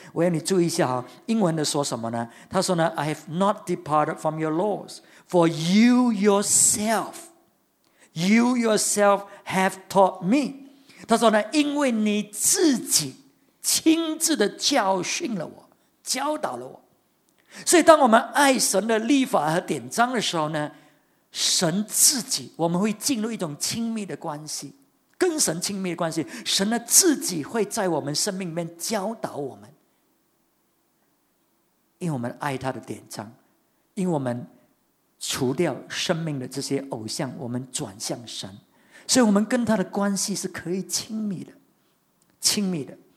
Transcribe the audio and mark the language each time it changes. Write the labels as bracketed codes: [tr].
[zh] 我要你注意一下哈，英文的说什么呢？他说呢 [en] ，I have not departed from your laws, for you yourself have taught me。 [zh] 他说呢，因为你自己亲自的教训了我，教导了我。所以，当我们爱神的律法和典章的时候呢，神自己，我们会进入一种亲密的关系。跟神亲密的关系，神呢自己会在我们生命里面教导我们，因为我们爱他的典章，因为我们除掉生命的这些偶像，我们转向神，所以我们跟他的关系是可以亲密的，亲密的。